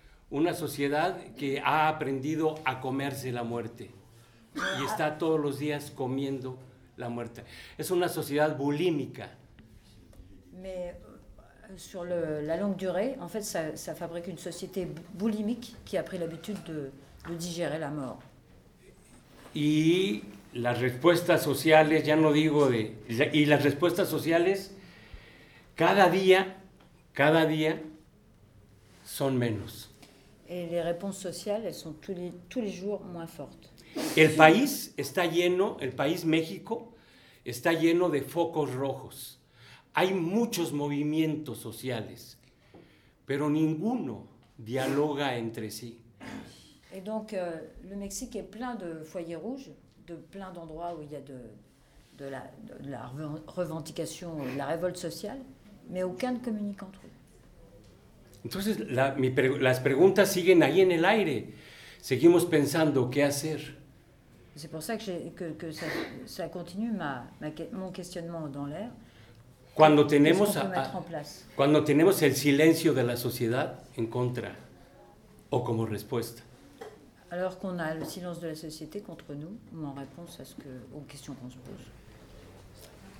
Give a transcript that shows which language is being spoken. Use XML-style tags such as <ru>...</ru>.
<es>Una sociedad que ha aprendido a comerse la muerte y está todos los días comiendo la muerte. Es una sociedad bulímica.</es> <fr>Mais sur la longue durée, en fait, ça fabrique une société boulimique qui a pris l'habitude de digérer la mort.</fr> <es>Y las respuestas sociales, ya no digo de y las respuestas sociales cada día son menos.</es> <fr>Et les réponses sociales, elles sont tous les jours moins fortes.</fr> <es>El país México está lleno de focos rojos. Hay muchos movimientos sociales, pero ninguno dialoga entre sí.</es> <fr>Et donc le Mexique est plein de foyers rouges, de plein d'endroits où il y a de la revendication, de la révolte sociale, mais aucun ne communique entre eux.</fr> <es>Entonces, las preguntas siguen ahí en el aire. Seguimos pensando qué hacer. Es por eso que</es> <fr>ça continue mon questionnement dans l'air.</fr> <es>Cuando tenemos el silencio de la sociedad en contra o como respuesta.</es> <fr>Alors qu'on a le silence de la société contre nous ou en réponse à ce que aux questions qu'on se pose.</fr>